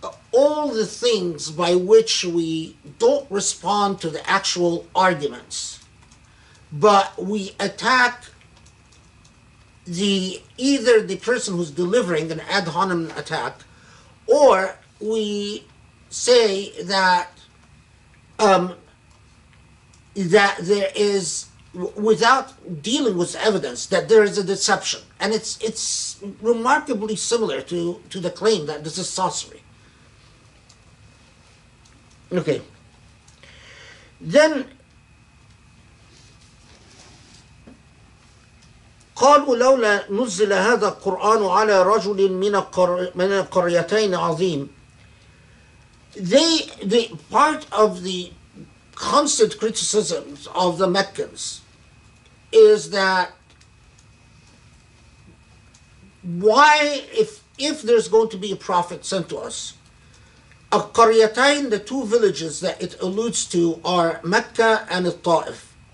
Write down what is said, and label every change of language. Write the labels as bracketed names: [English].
[English] All the things by which we don't respond to the actual arguments, but we attack either the person who's delivering an ad hominem attack, or we say that that there is, without dealing with evidence, that there is a deception. And it's remarkably similar to the claim that this is sorcery. Okay. Then [Arabic] قالوا لولا نزل هذا القرآن على رجل من القريتين عظيم. [English] The part of the constant criticisms of the Meccans is that why, if there's going to be a prophet sent to us, القريتين, the two villages that it alludes to are Mecca and Taif.